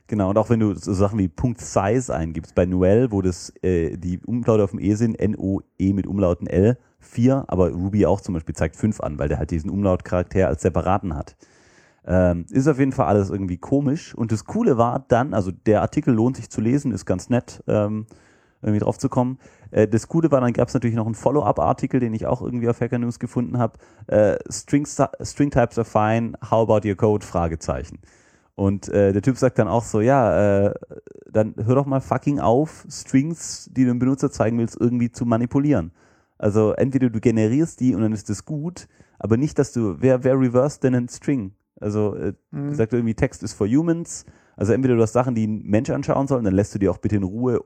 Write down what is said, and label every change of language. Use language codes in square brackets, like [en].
[de] Genau, und auch wenn du so Sachen wie Punkt-Size eingibst, bei Noël, wo das die Umlaute auf dem E sind, N-O-E mit Umlauten L, 4, aber Ruby auch zum Beispiel zeigt 5 an, weil der halt diesen Umlautcharakter als separaten hat. Ist auf jeden Fall alles irgendwie komisch. Und das Coole war dann, also der Artikel lohnt sich zu lesen, ist ganz nett, irgendwie drauf zu kommen. Das Coole war, dann gab es natürlich noch einen Follow-up-Artikel, den ich auch irgendwie auf Hacker News gefunden habe. [en] String types are fine, how about your code? [de] Fragezeichen. Und der Typ sagt dann auch so, ja, dann hör doch mal fucking auf, Strings, die du dem Benutzer zeigen willst, irgendwie zu manipulieren. Also entweder du generierst die und dann ist das gut, aber nicht, dass du, wer reverse denn einen String? Also sagt irgendwie, [en] Text is for humans. [de] Also entweder du hast Sachen, die ein Mensch anschauen soll, und dann lässt du die auch bitte in Ruhe.